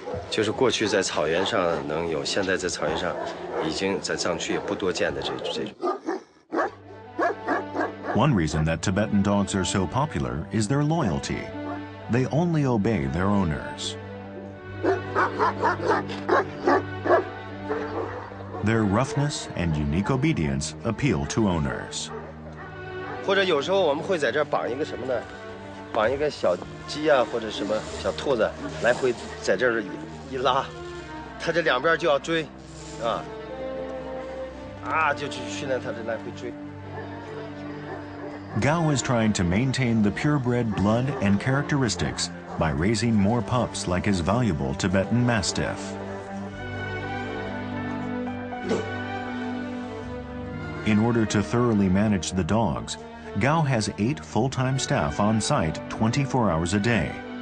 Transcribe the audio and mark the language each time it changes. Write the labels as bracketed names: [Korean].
[Chinese] 就是过去在草原上能有，现在在草原上已经在藏区也不多见的这种。 [English] One reason that Tibetan dogs are so popular is their loyalty. They only obey their owners. Their roughness and unique obedience appeal to owners. [Chinese] 或者有时候我们会在这儿绑一个什么呢？绑一个小鸡啊，或者什么小兔子，来回在这儿。一拉，他这两边就要追，就去训练他这来回追。 [English] Gao is trying to maintain the purebred blood and characteristics by raising more pups like his valuable Tibetan Mastiff. In order to thoroughly manage the dogs, Gao has 8 full-time staff on site 24 hours a day.